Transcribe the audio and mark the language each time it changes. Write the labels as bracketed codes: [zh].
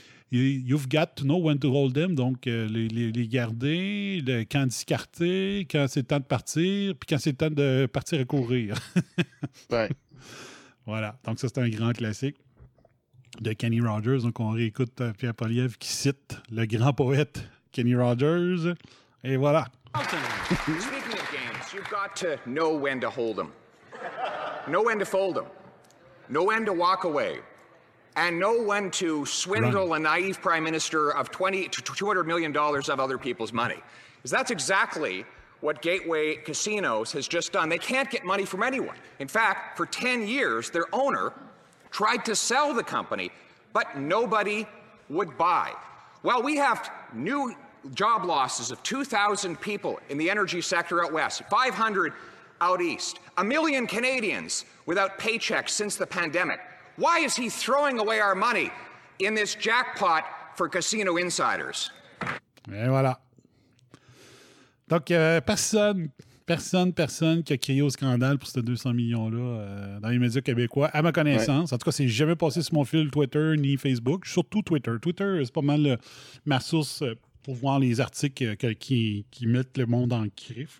[en] you've got to know when to hold them, [fr] donc les garder, quand discarter, quand c'est le temps de partir, puis quand c'est le temps de partir et courir. Ouais. Voilà, donc ça c'est un grand classique de Kenny Rogers. Donc on réécoute Pierre Poilievre qui cite le grand poète Kenny Rogers. Et voilà. [en] Speaking of games, you've got to know when to hold them. Know when to fold them. Know when to walk away. And know when to swindle a naive prime minister of $200 million of other people's money. Because that's exactly what Gateway Casinos has just done. They can't get money from anyone. In fact, for 10 years, their owner tried to sell the company, but nobody would buy. Well, we have new job losses of 2,000 people in the energy sector out west, 500 out east, 1 million Canadians without paychecks since the pandemic. Why is he throwing away our money in this jackpot for casino insiders? [fr] Et voilà. Donc, personne qui a crié au scandale pour ces 200 millions-là dans les médias québécois, à ma connaissance. Ouais. En tout cas, c'est jamais passé sur mon fil Twitter ni Facebook, surtout Twitter. Twitter, c'est pas mal ma source pour voir les articles qui mettent le monde en crif.